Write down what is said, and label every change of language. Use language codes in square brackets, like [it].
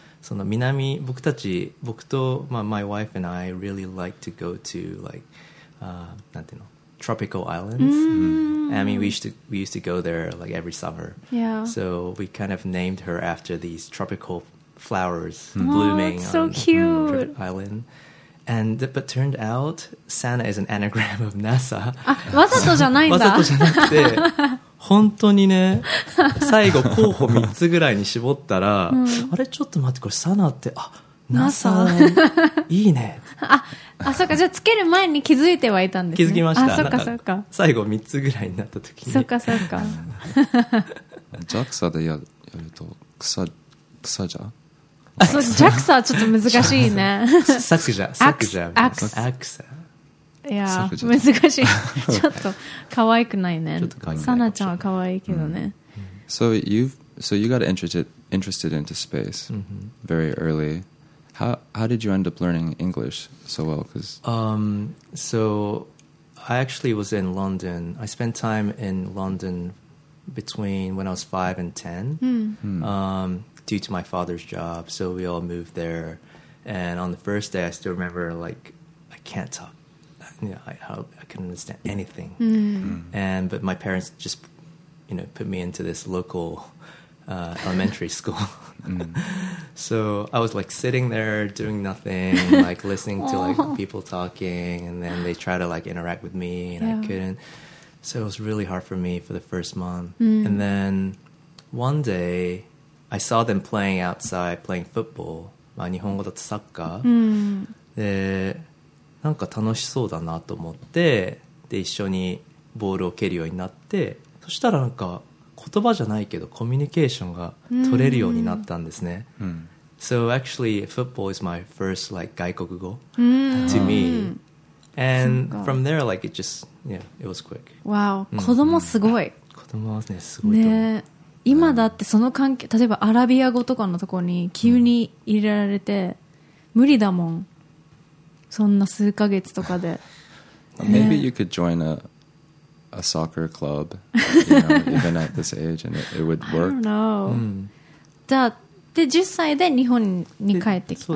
[en] Sono minami, my wife and I really like to go to like tropical islands. I mean, we used to go there like every summer. Yeah. So we kind of named her after these tropical flowers blooming so on cute island. And but turned out Sana is an anagram of NASA. [ja] わざとじゃないんだ。わざとじゃなくて本当にね、最後候補3つぐらいに絞ったら、あれちょっと待ってこれ Sana ってあ NASA いいね。あ、そっか、じゃあつける前に気づいてはいたんですね。気づきました。あ、そっかそっか。最後3つぐらいになった時に。そっかそっか。 JAXA でやると草じゃ。ジャクサはちょっと難しいね。サクジャ、サクジャ、アクサ。いや、難しい。ちょっと可愛くないね。サナちゃんは可愛いけどね。 [en] So you got interested into space very early. How did you end up learning English so well? Because so I actually was in London. I spent time in London between when I was 5 and 10. Due to my father's job, so we all moved there. And on the first day, I still remember, like, I can't talk. You know, I couldn't understand anything. But my parents just, put me into this local elementary school. So I was, like, sitting there doing nothing, like, listening to, like, people talking. And then they try to, like, interact with me, and I couldn't. So it was really hard for me for the first month. And then one day I saw them playing outside, playing football. [ja] まあ日本語だとサッカー。で、なんか楽しそうだなと思って、で一緒にボールを蹴るようになって、そしたらなんか言葉じゃないけどコミュニケーションが取れるようになったんですね。 [en] So actually, football is my first like 外国語 to me. And from there, like it just, it was quick. Wow, [ja] 子供すごい。子供はね、すごいと思う。ね。今だってその関係、例えばアラビア語とかのところに急に入れられて、無理だもん。そんな数ヶ月とかで。 [en] Maybe you could join a soccer club, even at this age, and it would work. I don't know. [ja] じゃあ、で、10歳で日本に帰ってきたんですか？